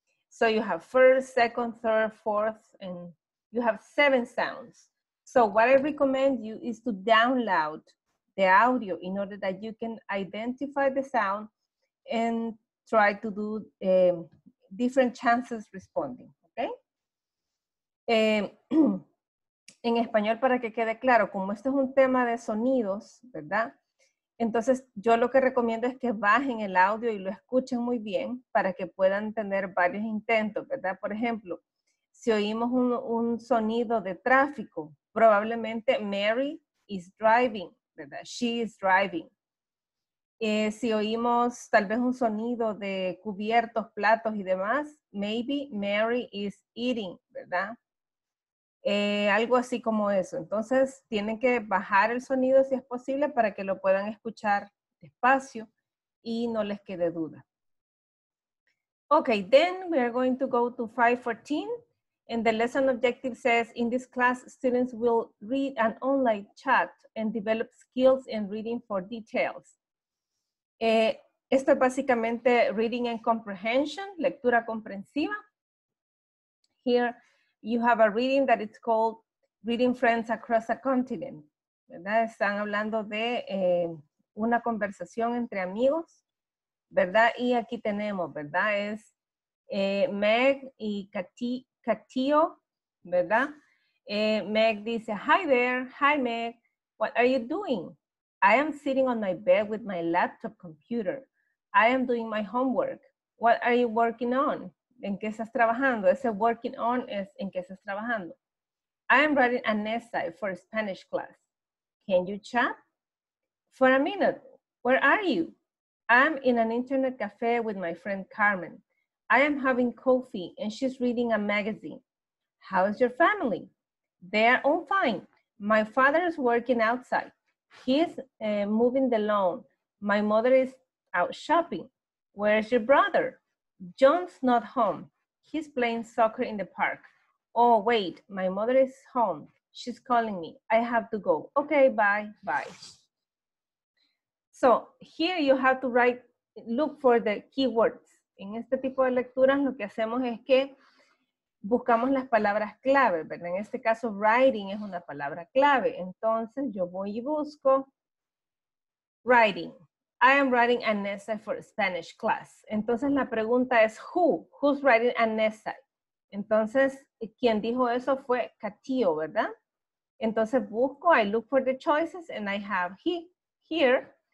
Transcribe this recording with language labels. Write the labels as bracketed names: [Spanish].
[English] So you have first, second, third, fourth, and you have 7 sounds. So what I recommend you is to download the audio in order that you can identify the sound and try to do different chances responding, okay? [Spanish] En español, para que quede claro, como esto es un tema de sonidos, ¿verdad? Entonces, yo lo que recomiendo es que bajen el audio y lo escuchen muy bien para que puedan tener varios intentos, ¿verdad? Por ejemplo, si oímos un sonido de tráfico, probablemente [English] Mary is driving. [Spanish] ¿Verdad? [English] She is driving. [Spanish] Si oímos tal vez un sonido de cubiertos, platos y demás, [English] maybe Mary is eating, [Spanish] ¿verdad? Algo así como eso. Entonces, tienen que bajar el sonido si es posible para que lo puedan escuchar despacio y no les quede duda. [English] Okay, then we are going to go to 5.14. And the lesson objective says, in this class, students will read an online chat and develop skills in reading for details. [Spanish] Esto es básicamente [English] reading and comprehension, [Spanish] lectura comprensiva. [English] Here, you have a reading that is called Reading Friends Across a Continent. [Spanish] ¿Verdad? Están hablando de una conversación entre amigos. ¿Verdad? Y aquí tenemos, ¿verdad? Es Meg y Catio, ¿verdad? [English] Meg dice, hi there, hi Meg, what are you doing? I am sitting on my bed with my laptop computer. I am doing my homework. What are you working on? [Spanish] ¿En qué estás trabajando? Ese [English] working on [Spanish] es ¿en qué estás trabajando? [English] I am writing an essay for a Spanish class. Can you chat? For a minute, where are you? I'm in an internet cafe with my friend Carmen. I am having coffee and she's reading a magazine. How is your family? They are all fine. My father is working outside. He is moving the lawn. My mother is out shopping. Where is your brother? John's not home. He's playing soccer in the park. Oh, wait, my mother is home. She's calling me. I have to go. Okay, bye, bye. So here you have to write, look for the keywords. [Spanish] En este tipo de lecturas lo que hacemos es que buscamos las palabras clave, ¿verdad? En este caso, writing es una palabra clave. Entonces, yo voy y busco writing. [English] I am writing an essay for Spanish class. [Spanish] Entonces, la pregunta es, [English] who? Who's writing an essay? [Spanish] Entonces, quien dijo eso fue Catio, ¿verdad? Entonces busco, [English] I look for the choices and I have he, here.